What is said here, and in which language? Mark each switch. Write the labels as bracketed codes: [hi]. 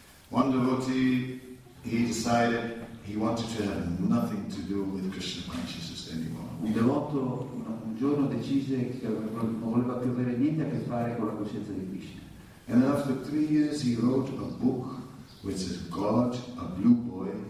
[en] One devotee, he decided he wanted to have nothing to do with Krishna consciousness anymore. [it] Un devoto un giorno decise che non voleva più avere niente a che fare con la coscienza di Krishna. [en] And after 3 years, he wrote a book which is God, a blue boy.